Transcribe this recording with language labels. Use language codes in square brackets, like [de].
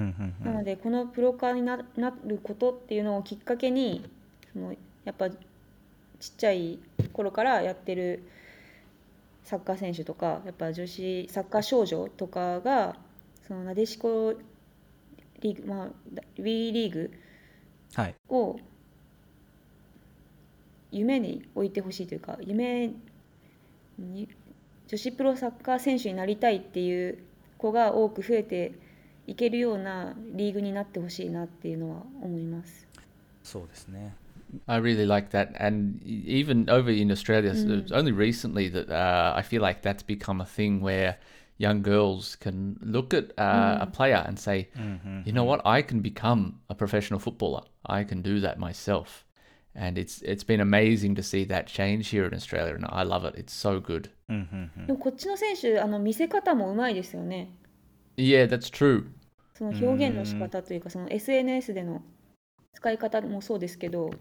[ja] い、なのでこのプロ化になることっていうのをきっかけに、そのやっぱちっちゃい頃からやってるサッカー選手とか、やっぱ女子サッカー少女とかがそのなでしこリーグ、まあ、ウィーリーグを夢に置いてほしいというか、はい、夢に女子プロサッカー選手になりたいっていう子が多く増えていけるようなリーグになってほしいなっていうのは思います。そうですね。 [en] I really like that, and even over in Australia、うん、it's only recently that、I feel like that's become a thing whereyoung girls can look at、a player and say, you know what, I can become a professional footballer. I can do that myself. And it's been amazing to see that change here in Australia. And I love it. It's so good. [ja] でもこっちの選手、あの見せ方も上手いですよね。 [en] Yeah, that's true. [ja] その表現の仕方というか、その SNS での使い方もそうですけど。